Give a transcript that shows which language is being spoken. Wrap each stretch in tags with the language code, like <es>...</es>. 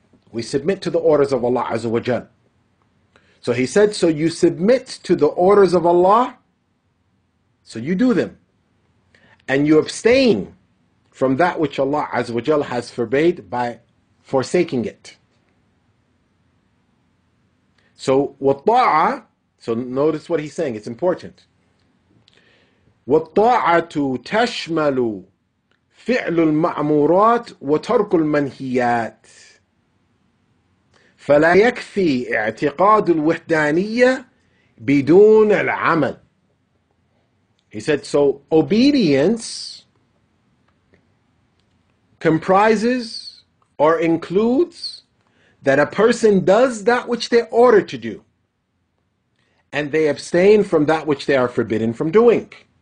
<en>We submit to the orders of Allah Azza wa Jal. So he said, so you submit to the orders of Allah, so you do them. And you abstain from that which Allah Azza wa Jal has forbade by forsaking it. So wata'a, so notice what he's saying, it's important.</en> <ar>Wata'atu tashmalu فعل المأمورات وترك المنهيات فلا يكفي اعتقاد الوحدانية بدون العمل.</ar> <en>He said, so obedience comprises or includes that a person does that which they order to do and they abstain from that which they are forbidden from doing.</en>